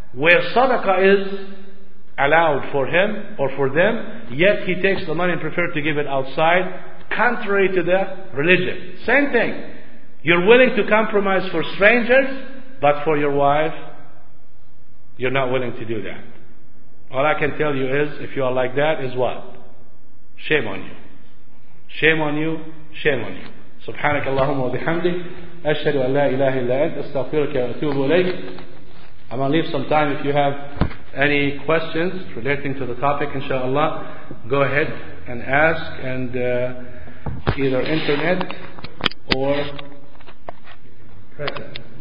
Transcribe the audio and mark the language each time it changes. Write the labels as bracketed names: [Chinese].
[English] Where sadaqah is allowed for him or for them, yet he takes the money and prefers to give it outside, contrary to the religion. Same thing. You're willing to compromise for strangers, but for your wife, you're not willing to do that. All I can tell you is, if you are like that, is what? Shame on you. Shame on you, shame on you. [Arabic] سبحانك اللهم وبحمدك أشهد أن لا إله إلا أنت أستغفرك وأتوب إليك. [English] I'm gonna leave some time if you have any questions relating to the topic, inshallah. Go ahead and ask, and either internet or present.